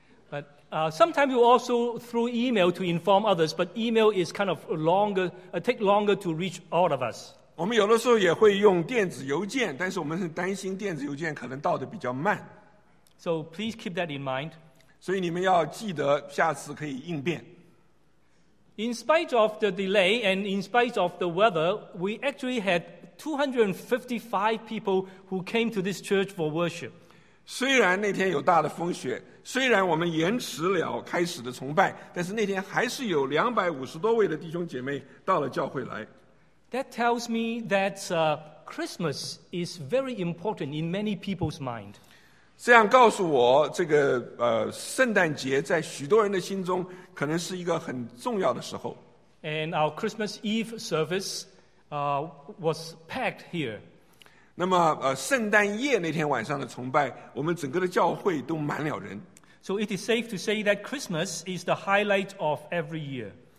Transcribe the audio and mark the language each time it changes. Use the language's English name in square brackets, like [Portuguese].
[English] But sometimes you also through email to inform others, but email is kind of longer, take longer to reach all of us. [Chinese] 我们有的时候也会用电子邮件，但是我们是担心电子邮件可能到得比较慢。 [English] So please keep that in mind. [Chinese] 所以你们要记得下次可以应变。 [English] In spite of the delay and in spite of the weather, we actually had 255 people who came to this church for worship. [Chinese] 虽然那天有大的风雪，虽然我们延迟了开始的崇拜，但是那天还是有250多位的弟兄姐妹到了教会来。 [English] That tells me that Christmas is very important in many people's mind. [Chinese] 这样告诉我，这个圣诞节在许多人的心中可能是一个很重要的时候。 [English] And our Christmas Eve service was packed here. [Chinese] 那么圣诞夜那天晚上的崇拜，我们整个的教会都满了人。 [English] So it is safe to say that Christmas is the highlight of every year.